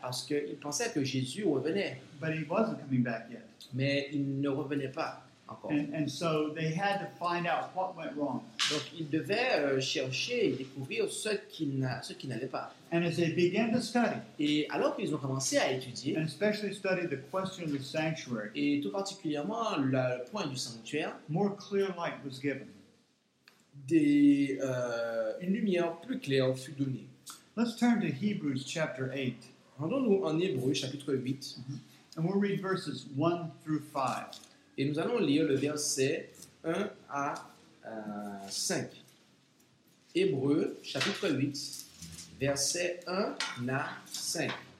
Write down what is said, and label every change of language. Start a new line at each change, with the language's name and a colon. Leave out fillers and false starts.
French: Parce qu'ils pensaient que Jésus revenait.
English: But he wasn't coming back yet.
French: Mais il ne revenait pas encore.
English: And so they had to find out what went wrong.
French: Donc ils devaient chercher et découvrir ce qui n'allait pas.
English: And as they began to study,
French: et alors qu'ils ont commencé à étudier,
English: and especially study the question of the sanctuary,
French: et tout particulièrement le point du sanctuaire,
English: more clear light was given.
French: Une lumière plus claire fut donnée.
English: Let's turn to Hebrews chapter 8.
French: Rendons-nous en Hébreux chapitre 8. Mm-hmm.
English: And we'll read verses 1 through 5.
French: Et nous allons lire le verset 1 à 5. Hébreux chapitre 8, verset 1 à 5.